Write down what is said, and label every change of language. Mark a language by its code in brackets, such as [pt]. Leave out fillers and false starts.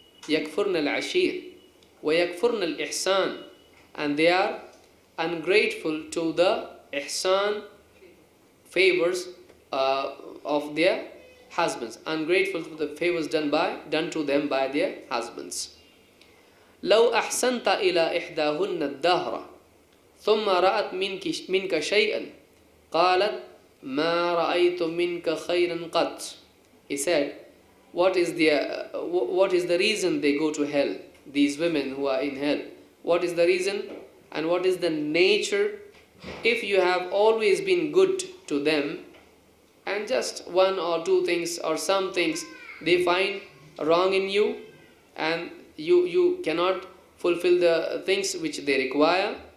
[ar] يَكْفُرْنَ الْعَشِيرِ وَيَكْفُرْنَ الْإِحْسَانِ. [en] And they are ungrateful to the ihsan favors of their husbands, ungrateful for the favors done to them by their husbands. [ar] لو أحسنت إلى إحداهن الدهر ثم رأت منك شيئا قالت ما رأيت منك خيرا قط. [en] He said, what is the reason they go to hell, these women who are in hell? What is the reason and what is the nature? If you have always been good to them, and just one or two things or some things they find wrong in you, and you cannot fulfill the things which they require.